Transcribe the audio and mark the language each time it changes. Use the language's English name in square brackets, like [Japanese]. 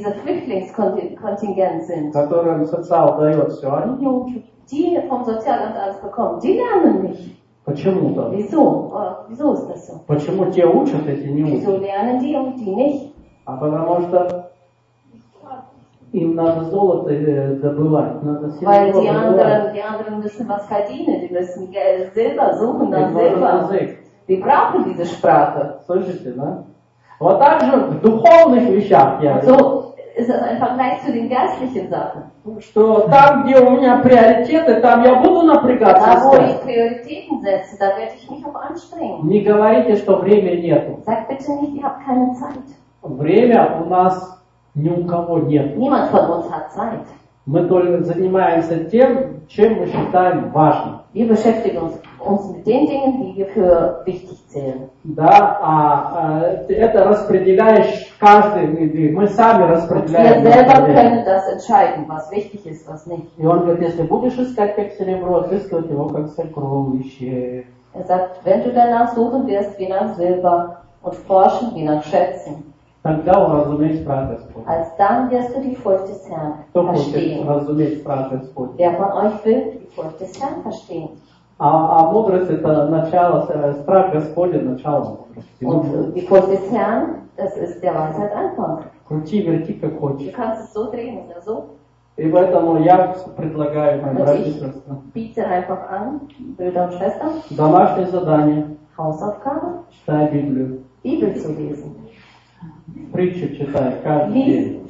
[German] Flüchtlingskontingent sind, [Russian] которые социал дает все, они не учат. [German] Die vom Sozialamt alles bekommen, die lernen nicht. [Russian] Почему так? [German] Wieso? Wieso ist das so? [Russian] Почему те учат, эти не учат? [German] Wieso lernen die und die nicht? [Russian] А потому что им надо золото добывать, надо серебро. [German] Weil die anderen müssen was verdienen, die müssen Silber suchen, dann Silber. Die brauchen diese Sprache. [Russian] Слышите, да? Вот так же в духовных вещах я говорю. Что там, где у меня приоритеты, там я буду напрягаться. [German] Da, wo ich Prioritäten setze, da werde ich mich auch anstrengen. [Russian] Не говорите, что времени нету. [German] Sag bitte nicht, ich habe keine Zeit. [Russian] Время у нас ни у кого нет. [German] Niemand von uns hat Zeit. [Russian] Мы только занимаемся тем, чем мы считаем важным. [German] Wir beschäftigen uns mit den Dingen, die wir für wichtig zählen. [Russian] Да, это распределяешь каждый, мы сами распределяем. [German] Wir selber können das entscheiden, was wichtig ist, was nicht. [Russian] И он говорит, если будешь искать как серебро, отыскивать его как сокровище. [German] Er sagt, wenn du danach suchen wirst wie nach Silber und forschen wie nach Schätzen. [Russian] Тогда уразумеешь страх Господь. [German] Als dann wirst du die Furcht des Herrn [Russian] Кто [German] verstehen. Wer von euch will die Furcht des Herrn verstehen? [Russian] А мудрость это начало, страх Господень начало. [German] Die Furcht des Herrn, das ist der Weisheit Anfang. [Russian] Крути, верти, как хочешь. [German] Du kannst es so drehen oder so. [Russian] И поэтому я предлагаю моим родителям. [German] Brüder und Schwestern. [Russian] Домашнее задание. [German] Hausaufgabe. [Russian] Читай Библию. [German] Bibel zu lesen. [Russian] Притчу читай каждый день.